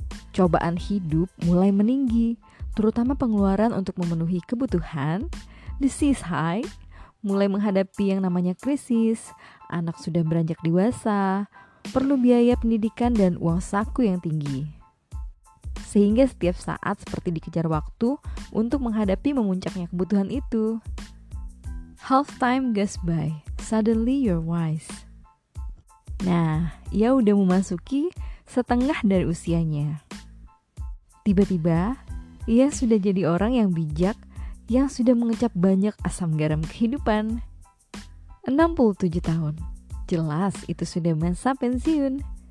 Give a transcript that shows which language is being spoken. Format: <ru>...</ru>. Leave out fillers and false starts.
<id>Cobaan hidup mulai meninggi, terutama pengeluaran untuk memenuhi kebutuhan, disease high, mulai menghadapi yang namanya krisis, anak sudah beranjak dewasa, perlu biaya pendidikan dan uang saku yang tinggi. Sehingga setiap saat seperti dikejar waktu untuk menghadapi memuncaknya kebutuhan itu.</id> <en>Half time goes by, suddenly you're wise.</en> <id>Nah, ia udah memasuki setengah dari usianya. Tiba-tiba, ia sudah jadi orang yang bijak, yang sudah mengecap banyak asam garam kehidupan. 67 tahun, jelas itu sudah masa pensiun.</id>